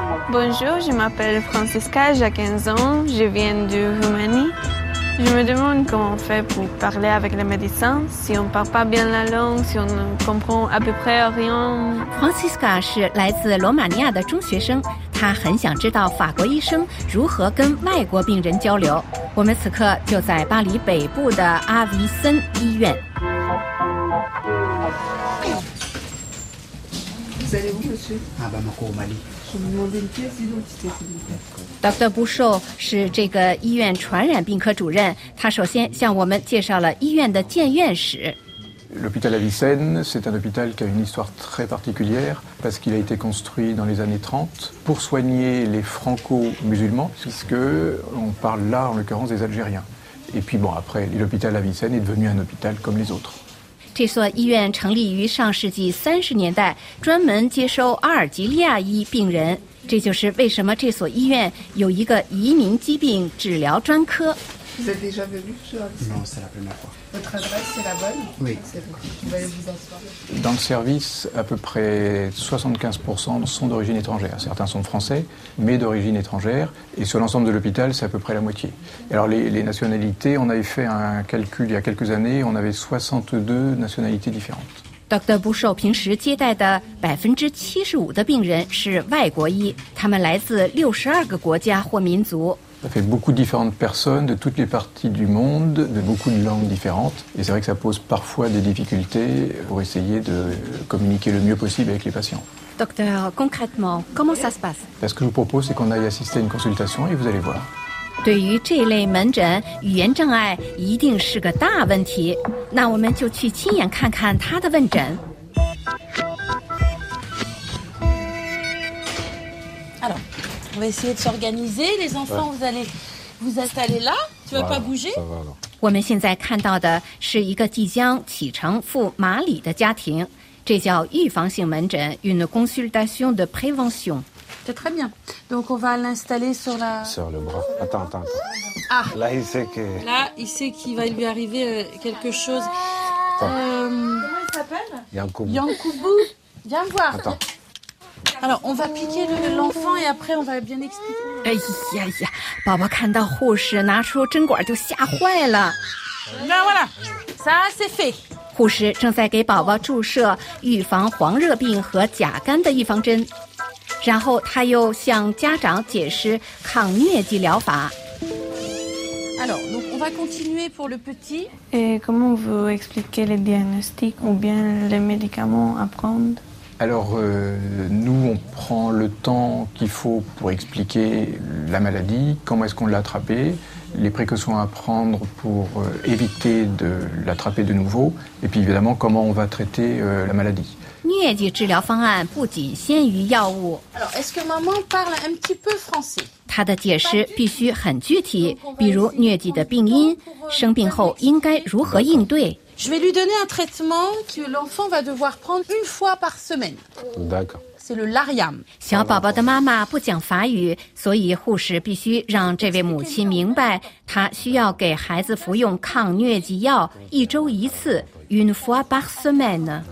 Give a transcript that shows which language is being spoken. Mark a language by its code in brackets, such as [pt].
[fr] Bonjour, je m'appelle Francisca, j'ai 15 ans, je viens de Roumanie. Je me demande comment on fait pour parler avec les médecins, si on ne parle pas bien la langue, si on ne comprend à peu près rien. [zh] Francisca 是来自罗马尼亚的中学生，她很想知道法国医生如何跟外国病人交流。我们此刻就在巴黎北部的阿维森医院。 [fr] Dr. [zh] Bouchot 是这个医院传染病科主任，他首先向我们介绍了医院的建院史。 [fr] L'hôpital Avicenne, c'est un hôpital qui a une histoire très particulière parce qu'il a été construit dans les années 30 pour soigner les franco-musulmans, puisque on parle là, en l'occurrence, des Algériens. Et puis bon, après, l'hôpital Avicenne est devenu un hôpital comme les autres. [zh] 这所医院成立于上世纪30年代，专门接收阿尔及利亚裔病人。这就是为什么这所医院有一个移民疾病治疗专科。 [fr] Dans le service, à peu près 75% sont d'origine étrangère. Certains sont français, mais d'origine étrangère. Et sur l'ensemble de l'hôpital, c'est à peu près la moitié. Alors les nationalités, on avait fait un calcul il y a quelques années, on avait 62 nationalités différentes. Dr. [zh] Bushou 平时接待的 75% 的病人是外国医，他们来自62个国家或民族。 [fr] Ça fait beaucoup de différentes personnes de toutes les parties du monde, de beaucoup de langues différentes. Et c'est vrai que ça pose parfois des difficultés pour essayer de communiquer le mieux possible avec les patients. Docteur, concrètement, comment ça se passe ? Ce que je vous propose, c'est qu'on aille assister à une consultation et vous allez voir. [zh] 对于这类门诊，语言障碍一定是个大问题。那我们就去亲眼看看他的问诊。 [fr] Alors. On va essayer de s'organiser. Les enfants, vous allez vous installer là. Tu vas pas bouger. 我们现在看到的是一个即将启程赴马里的家庭，这叫预防性门诊 ， une consultation de prévention. C'est très bien. Donc on va l'installer sur la. Sur le bras. Attends. Ah. Là il sait que. Là il sait qu'il va lui arriver quelque chose. Comment il s'appelle? Yankoubou. Viens voir. Attends. Alors, on va piquer l'enfant et après on va bien expliquer. [zh] 哎呀呀，宝宝看到护士拿出针管就吓坏了。那完了，啥是肺？护士正在给宝宝注射预防黄热病和甲肝的预防针，然后他又向家长解释抗疟疾疗法。 [fr] Alors, donc on va continuer pour le petit. Et comment vous expliquez les diagnostics ou bien les médicaments à prendre ? Alors, nous, on prend le temps qu'il faut pour expliquer la maladie, comment est-ce qu'on l'a attrapée, les précautions à prendre pour éviter de l'attraper de nouveau, et puis évidemment, comment on va traiter la maladie. [zh] 疟疾治疗方案不仅限于药物。 [fr] Alors, est-ce que maman parle un petit peu français? [zh] 她的解释必须很具体，比如疟疾的病因，生病后应该如何应对。 [fr] Je vais lui donner un traitement que l'enfant va devoir prendre une fois par semaine. D'accord. C'est le Lariam. [zh] 小宝宝的妈妈不讲法语，所以护士必须让这位母亲明白，她需要给孩子服用抗疟疾药一周一次 ， [fr] une fois par semaine.